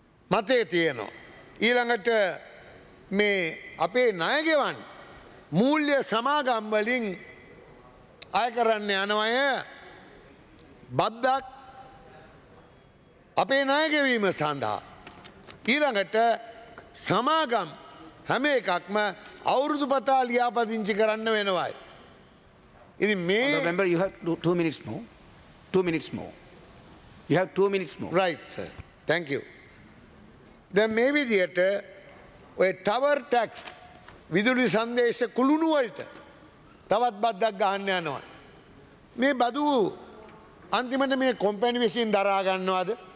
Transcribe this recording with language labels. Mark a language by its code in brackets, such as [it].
[si] මතේ තියෙනවා. ඊළඟට මේ අපේ ණයගෙවන් මූල්‍ය සමාගම්වලින් අය කරන්න යන අය බද්දක් අපේ ණයගෙවීම සඳහා. ඊළඟට සමාගම් හැම එකක්ම අවුරුදු පතා ලියාපදිංචි කරන්න වෙනවායි. ඉතින් මේ [en] remember you have 2 minutes more 2 minutes more you have 2 minutes more right sir thank you then maybe theater [si] ඔය ටවර් ටැක්ස් විදුලි සංදේශ කුළුණු වලට තවත් බද්දක් ගහන්න යනවා. මේ බදු අන්තිමට මේ කොම්පැනි විසින් දරා ගන්නවද?